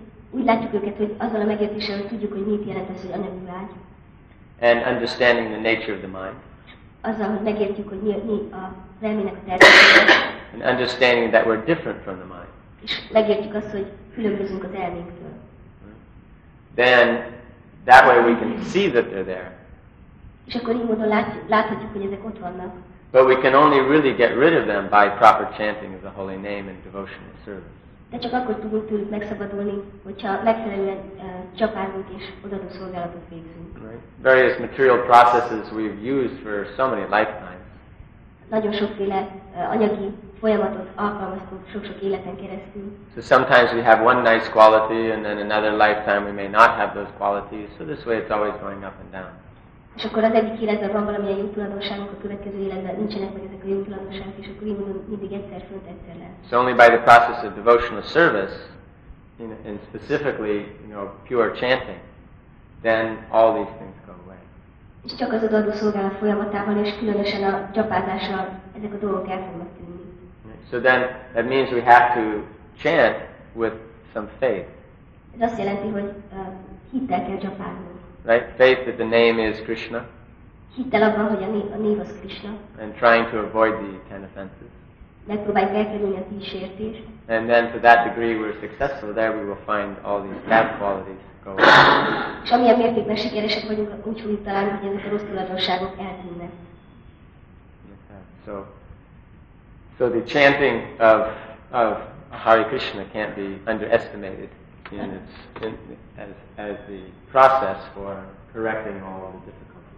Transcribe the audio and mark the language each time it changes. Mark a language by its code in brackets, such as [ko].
[hu] Úgy látjuk őket, hogy azzal a megértéssel tudjuk, hogy mit jelent az, hogy anyagi vágy. [en] And understanding the nature of the mind. [hu] Azzal, hogy megértjük, hogy mi az elmének a természete. [en] And understanding that we're different from the mind. [hu] És megértjük azt, hogy különbözünk az elménktől. [en] Then that way we can see that they're there. [hu] És akkor így módon láthatjuk, hogy ezek ott vannak. [en] But we can only really get rid of them by proper chanting of the holy name and devotional service. [hu] De csak akkor tudunk tőlük megszabadulni, hogyha megfelelően csapálunk és odaadó szolgálatot végzünk. [en] Right. Various material processes we've used for so many lifetimes. [hu] Nagyon sokféle anyagi folyamatot alkalmaztunk sok-sok életen keresztül. [en] So sometimes we have one nice quality and then another lifetime we may not have those qualities. So this way it's always going up and down. [hu] És akkor az egyik életben van valamilyen jó tulajdonságunk, a következő életben nincsenek meg ezek a jó tulajdonságok, és akkor mindig egyszer fönt, egyszer le. [en] So only by the process of devotional service, and specifically, you know, pure chanting, then all these things go away. [hu] És csak az odaadó szolgálat folyamatával, és különösen a japázással ezek a dolgok el fognak tűnni. [en] So then, that means we have to chant with some faith. [hu] Ez azt jelenti, hogy hittel kell csapálni. [en] Right? Faith that the name is Krishna. [hu] Hittel abban, hogy a név az Krishna. [en] And trying to avoid the 10 offenses. [hu] Megpróbáljuk elkerülni a 10 sértést. [en] And then to that degree we're successful, there we will find all these bad qualities go away. [hu] És amilyen mértékben sikeresek vagyunk, úgy fogjuk találni, hogy ezek a rossz tulajdonságok eltűnnek. [en] So the chanting of Hare Krishna can't be underestimated as the process for correcting all of the difficulties.